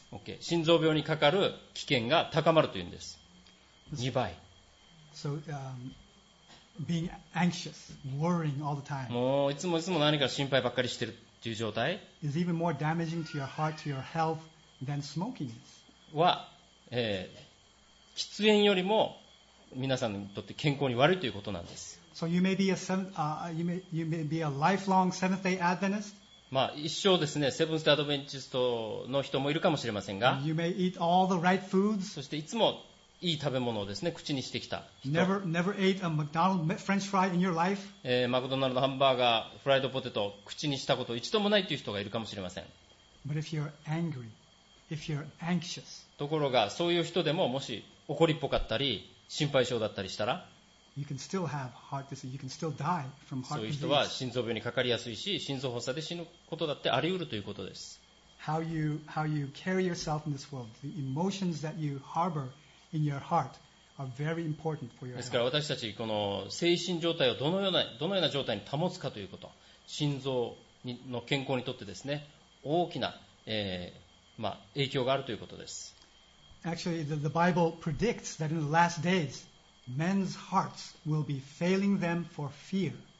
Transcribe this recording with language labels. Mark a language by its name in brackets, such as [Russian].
[Japanese] OK、心臓病にかかる危険が高まるというんです。 2倍。 [English] So, being anxious, worrying all the time. [Japanese] もういつもいつも何か心配ばっかりしてるという状態。 [English] Is even more damaging to your heart, to your health than smoking is. [Japanese] は、喫煙よりも皆さんにとって健康に悪いということなんです。 [English] So you may be a lifelong Seventh-day Adventist. [Japanese] まあ一生ですね、セブンスアドベンチストの人もいるかもしれませんが。 [English] You may eat all the right foods. [Japanese] そしていつもいい食べ物をですね口にしてきた人。 [English] Never ate a McDonald's French fry in your life? [Japanese] マクドナルドハンバーガー、フライドポテト口にしたこと一度もないという人がいるかもしれません。 [English] But if you're angry, if you're anxious, [Japanese] ところがそういう人でももし怒りっぽかったり心配性だったりしたら、そういう人は心臓病にかかりやすいし、心臓発作で死ぬことだってあり得るということです。 [English] How you carry yourself in this world, the emotions that you harbor in your heart are very important for your health. [Japanese] ですから私たちこの精神状態をどのような状態に保つかということ、心臓の健康にとってですね大きな、影響があるということです。 [English] Actually, the Bible predicts that in the last days, men's hearts will be failing them for fear.